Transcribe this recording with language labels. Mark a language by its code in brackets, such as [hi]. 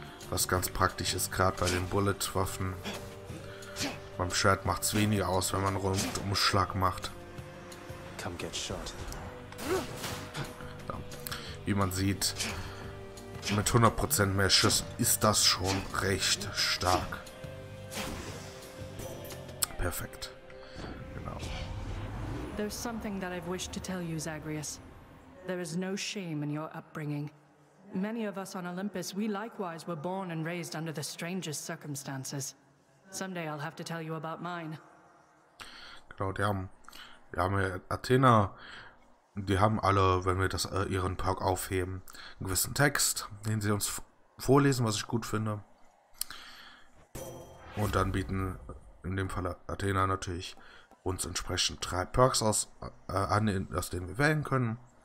[de] Was ganz praktisch ist, gerade bei den Bullet-Waffen. Beim Schwert macht es weniger aus, wenn man Rundumschlag macht. [en] Come get shot. [de] Ja. Wie man sieht, mit 100% mehr Schuss ist das schon recht stark. Perfekt. Genau. [en] There's something that I've wished to tell you, Zagreus. There is no shame in your upbringing. Many of us on Olympus, we likewise were born and raised under the strangest circumstances. Someday I'll have to tell you about mine. [de] Genau, wir haben hier Athena. Die haben alle, wenn wir das ihren Perk aufheben, einen gewissen Text, den sie uns vorlesen, was ich gut finde. Und dann bieten in dem Fall Athena natürlich uns entsprechend drei Perks aus, an, aus denen wir wählen können.